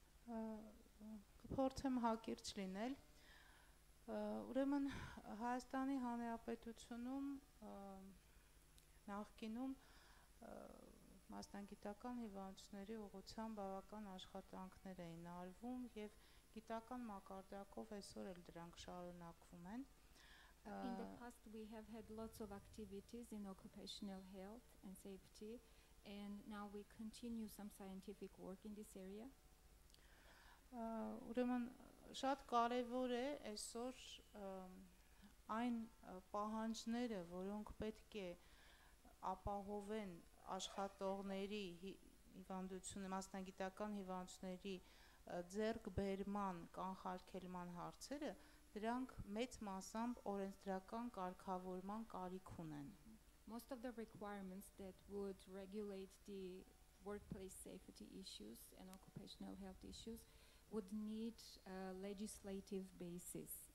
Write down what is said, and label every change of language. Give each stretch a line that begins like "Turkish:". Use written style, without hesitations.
Armenian: Կփորձեմ հակիրճ լինել։ Ուրեմն Հայաստանի Հանրապետությունում նախկինում մասնագիտական հիվանդությունների ուղղությամբ բավական աշխատանքներ էին արվում և գիտական մակարդակով այսօր էլ դրանք շարունակվում են։
English: In the past we have had lots of activities in occupational health and safety, and now we continue some scientific work in this area.
Armenian: Ուրեմն շատ կարևոր է այսօր այն պահանջները, որոնք պետք է ապահովեն աշխատողների հիվանդությունը, մասնագիտական հիվանդությունների ձեռք բերման, կանխարգելման հարցերը, դրանք մեծ մասամբ օրենսդրական կարգավորման կարիք ունեն.
English: Most of the requirements that would regulate the workplace safety issues and occupational health issues would need a legislative basis.